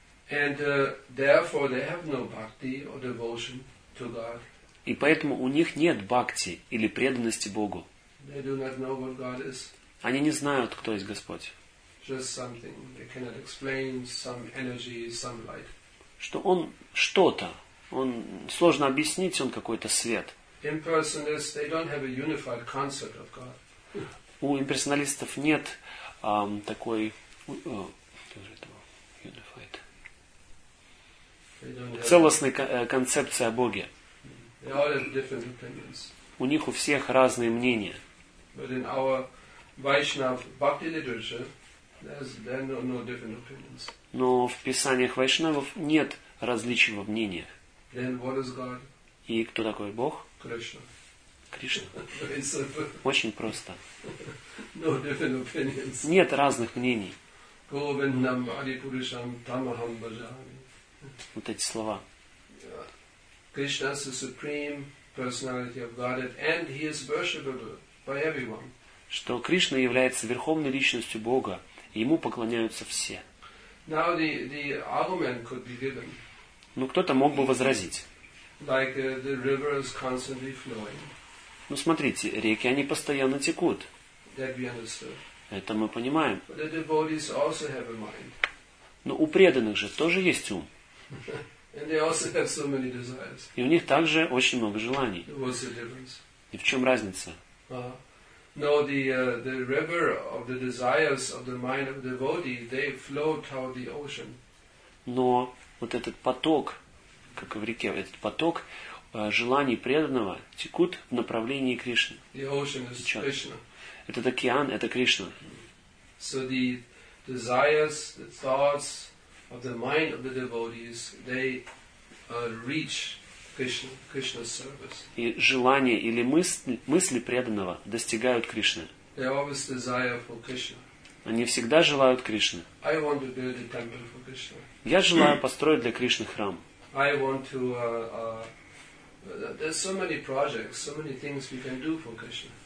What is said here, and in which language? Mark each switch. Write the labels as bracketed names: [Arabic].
[English] And therefore they have no bhakti or devotion to God. [Russian] И поэтому у них нет бхакти или преданности Богу. [English] They do not know what God is. [Russian] Они не знают, кто есть Господь. [English] Just something they cannot explain, some energy, some light. [Russian] Что он что-то, он сложно объяснить, он какой-то свет. [English] Impersonalists, they don't have a unified concept of God. [Russian] У имперсоналистов нет такой [English] unified. [Russian] Целостной концепции о Боге. [English] They all have different opinions. [Russian] У них у всех разные мнения. [English] But in our Vaishnav bhakti literature, there's then no different opinions. [Russian] Но в писаниях вайшнавов нет различий во мнениях. [English] Then what is God? [Russian] И кто такой Бог? Кришна. Кришна. Очень просто. [English] No different opinions. [Russian] Нет разных мнений. [Sanskrit] Govindam Adipurusham Tamaham Bhajami. [Russian] Вот эти слова. [English] Krishna is the supreme personality of Godhead, and he is worshipable by everyone. [Russian] Что Кришна является верховной личностью Бога, и ему поклоняются все. [English] Now the argument could be given. [Russian] Ну, кто-то мог бы возразить. [English] Like the river is constantly flowing. [Russian] Ну, смотрите, реки, они постоянно текут. [English] That we understood. [Russian] Это мы понимаем. [English] But the devotees also have a mind. [Russian] Но у преданных же тоже есть ум. [English] And they also have so many desires. [Russian] И у них также очень много желаний. [English] What's the difference? [Russian] И в чем разница? [English] No, the river of the desires of the mind of the devotee, they flow toward the ocean. [Russian] Но вот этот поток, как в реке, этот поток желаний преданного текут в направлении Кришны. [English] The ocean is Krishna. [Russian] Этот океан, это Кришна. [English] So the desires, the thoughts of the mind of the devotees, they reach Krishna's service. [Russian] И желания или мысли преданного достигают Кришны. [English] They always desire for Krishna. [Russian] Они всегда желают Кришны. [English] I want to build a temple for Krishna. [Russian] Я желаю построить для Кришны храм. [English] I want to, there's so many projects, so many things we can do for Krishna.